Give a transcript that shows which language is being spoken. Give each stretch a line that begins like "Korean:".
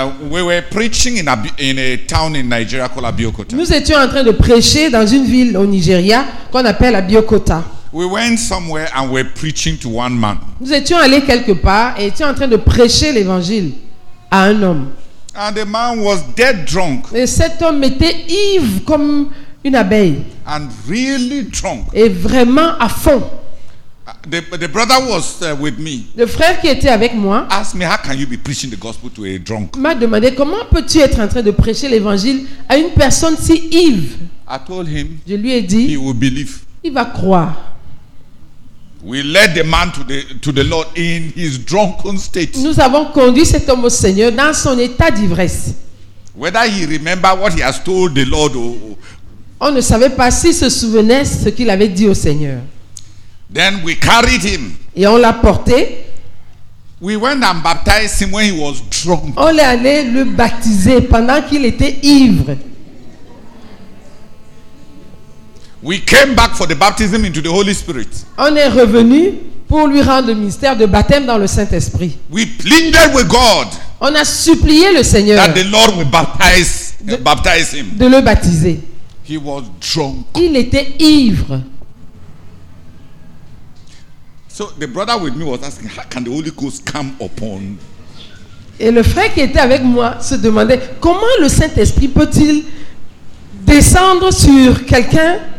English: We were preaching in a town in Nigeria called Abeokuta.
French: Nous étions en train de prêcher dans une ville au Nigeria qu'on appelle Abeokuta.
English: We went somewhere and were preaching to one man.
French: Nous étions allés quelque part et étions en train de prêcher l'évangile à un homme.
English: And the man was dead drunk.
French: Et cet homme était ivre comme une abeille.
English: And really drunk.
French: Et vraiment à fond.
English: The brother was with me.
French: Le frère qui était avec moi.
English: Asked me, how can you be preaching the gospel to a drunk?
French: M'a demandé comment peux-tu être en train de prêcher l'évangile à une personne si ivre.
English: I told him.
French: Je lui ai dit.
English: He will believe.
French: Il va croire.
English: We led the man to the Lord in his drunken state.
French: Nous avons conduit cet homme au Seigneur dans son état d'ivresse.
English: Whether he remember what he has told the Lord
French: on ne savait pas s'il se souvenait ce qu'il avait dit au Seigneur.
English: Then we carried him.
French: Et on l'a porté.
English: We went and baptized him when he was drunk.
French: On l'est allé le baptiser pendant qu'il était ivre.
English: We came back for the baptism into the Holy Spirit.
French: On est revenu pour lui rendre le ministère de baptême dans le Saint-Esprit.
English: We pleaded with God.
French: On a supplié le Seigneur.
English: That the Lord would baptize him.
French: De le baptiser.
English: He was drunk.
French: Il était ivre.
English: So the brother with me was asking, how can the Holy Ghost come upon?
French: Et le frère qui était avec moi se demandait comment le Saint-Esprit peut-il descendre sur quelqu'un?